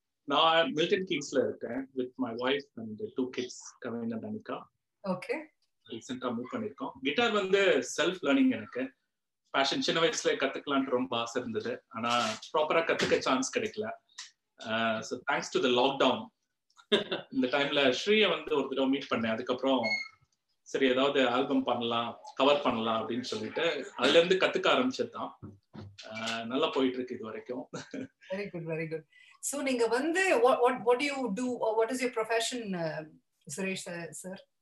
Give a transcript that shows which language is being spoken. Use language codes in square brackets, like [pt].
[en] Now I'm Milton Keynes-ல [ta] இருக்கேன் [en] with my wife and the two kids, Kavina and Anika. Okay. [ta] ரீசெண்டாக move பண்ணியிருக்கோம். Guitar வந்து self learning எனக்கு. Fashion சின்ன வயசுல கற்றுக்கலான்ட்டு ரொம்ப ஆசை இருந்தது, ஆனால் ப்ராப்பராக கற்றுக்க சான்ஸ் கிடைக்கல. [en] so thanks to the lockdown [ta] இந்த டைமில் ஸ்ரீயை வந்து ஒரு தடவை மீட் பண்ணேன். அதுக்கப்புறம் சரி ஏதாவது ஆல்பம் பண்ணலாம், கவர் பண்ணலாம் அப்படின்னு சொல்லிட்டு அதுலேருந்து கற்றுக்க ஆரம்பிச்சது தான். நல்லா போயிட்டுருக்கு இது வரைக்கும். [en] Very good, very good. So [ta] ninga vande [en] what do you do, what is your profession, Suresh sir?